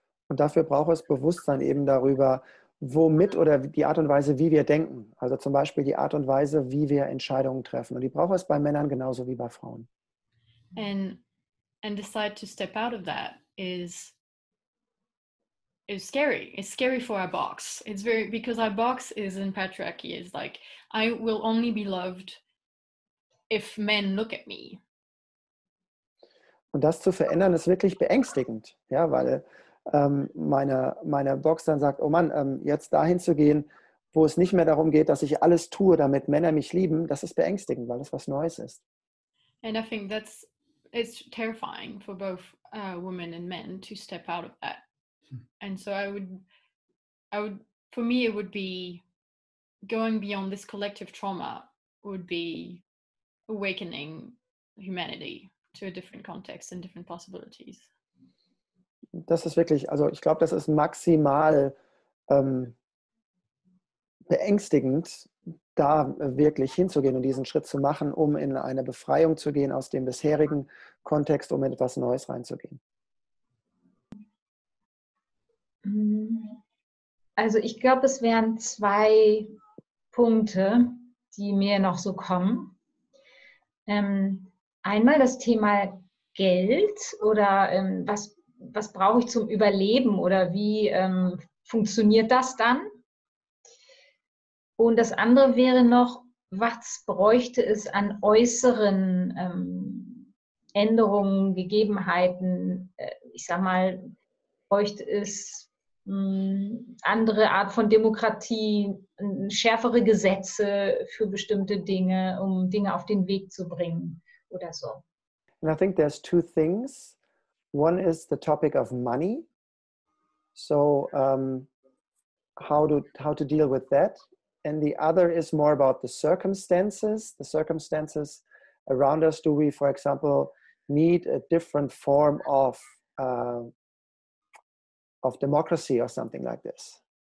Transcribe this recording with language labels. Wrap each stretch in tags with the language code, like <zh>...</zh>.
<de>Und dafür braucht es Bewusstsein eben darüber, womit oder die Art und Weise, wie wir denken. Also zum Beispiel die Art und Weise, wie wir Entscheidungen treffen. Und die braucht es bei Männern genauso wie bei Frauen.</de> <en>And decide to step out of that is scary. It's scary for our box. It's very, because our box is in patriarchy. It's like, I will only be loved if men look at me.</en> <de>Und das zu verändern ist wirklich beängstigend, ja, weil meine Box dann sagt, oh Mann, jetzt dahin zu gehen, wo es nicht mehr darum geht, dass ich alles tue, damit Männer mich lieben, das ist beängstigend, weil das was Neues ist.</de> <en>And I think that's, it's terrifying for both women and men to step out of that. And so I would, for me, it would be going beyond this collective trauma would be awakening humanity to a different context and different possibilities.</en> <de>Das ist wirklich, also ich glaube, das ist maximal beängstigend, da wirklich hinzugehen und diesen Schritt zu machen, um in eine Befreiung zu gehen aus dem bisherigen Kontext, um in etwas Neues reinzugehen. Also ich glaube, es wären zwei Punkte, die mir noch so kommen. Einmal das Thema Geld oder was brauche ich zum Überleben oder wie funktioniert das dann? Und das andere wäre noch, was bräuchte es an äußeren Änderungen, Gegebenheiten? Ich sag mal, bräuchte es andere Art von Demokratie, schärfere Gesetze für bestimmte Dinge, um Dinge auf den Weg zu bringen oder so?</de> <en>And I think there's two things. One is the topic of money. So how to deal with that? And the other is more about the circumstances around us. Do we, for example, need a different form of democracy or something like this?</en>